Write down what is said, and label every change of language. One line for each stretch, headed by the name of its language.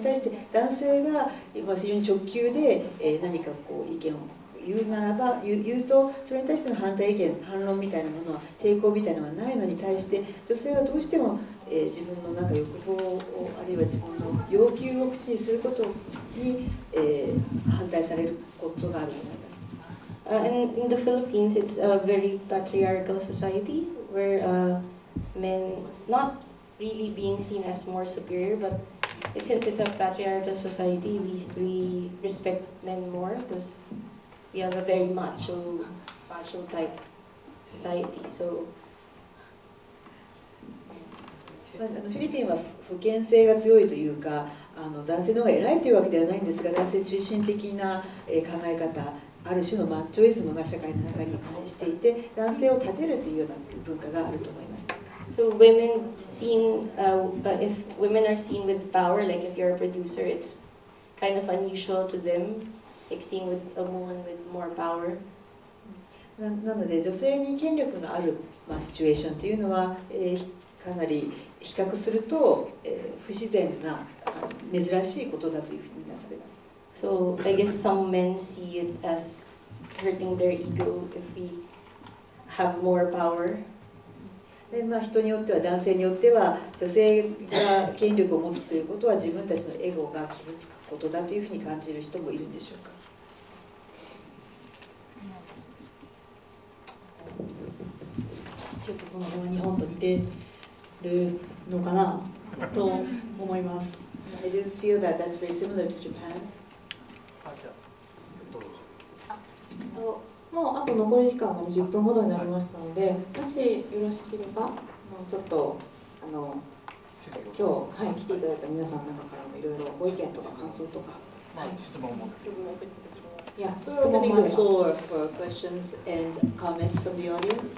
Japanese: それに対して男性が非常に直球で何かこう意見を言うならば、言うとそれに対しての反対意見、反論みたいなものは、抵抗みたいなのはないのに対して、女性はどうしても自分のなんか欲望を、あるいは自分の要求を口にすることに反対されることがあるような
English: In the Philippines, it's a very patriarchal society where men, not really being seen as more superior, but since it's a patriarchal society, we respect men more because we have a very macho type society. So,
Japanese: フィリピンは父権制が強いというか、男性の方が偉いというわけではないんですが、男性中心的な考え方、ある種のマッチョイズムが社会の中に蔓延していて、男性を立てるというような文化があると思います。
English: So women seen, if women are seen with power, like if you're a producer, it's kind of unusual to them, like seeing with a woman with more power.
Japanese: なので女性に権力がある、まあ、シチュエーションというのは、かなり比較すると、不自然な珍しいことだというふうになされます。
English: So I guess some men see it as hurting their ego if we have more power.
Japanese: でまあ、人によっては男性によっては女性が権力を持つということは自分たちのエゴが傷つくことだというふうに感じる人もいるんでしょうか。ちょっとその辺は日本と似てるのかなと思います。
English: I do feel that that's very similar to Japan.
Japanese: もうあと残り時間が20分ほどになりましたので、もしよろしければちょっと今日、来ていただいた皆さんの中からもいろいろご意見とか感想とか、質問も、質問もあれば
English: for questions and comments from the audience。